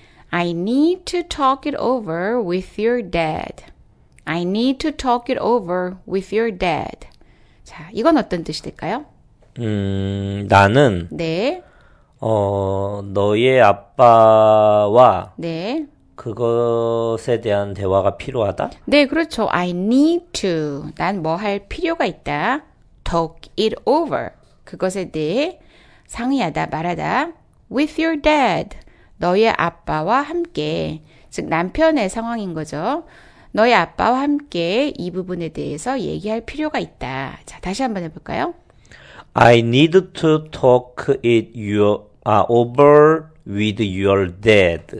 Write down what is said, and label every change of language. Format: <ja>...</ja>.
<en>I need to talk it over with your dad. I need to talk it over with your dad.</en> <ko>자, 이건 어떤 뜻이 될까요? 나는 네. 너의 아빠와 네. 그것에 대한 대화가 필요하다? 네, 그렇죠.</ko> <en>I need to.</en> <ko>난뭐할 필요가 있다.</ko> <en>Talk it over.</en> <ko>그것에 대해 상의하다, 말하다.</ko> <en>With your dad.</en> <ko>너의 아빠와 함께. 즉, 남편의 상황인 거죠. 너의 아빠와 함께 이 부분에 대해서 얘기할 필요가 있다. 자, 다시 한번 해볼까요?</ko> <en>I need to talk it over with your dad.</en>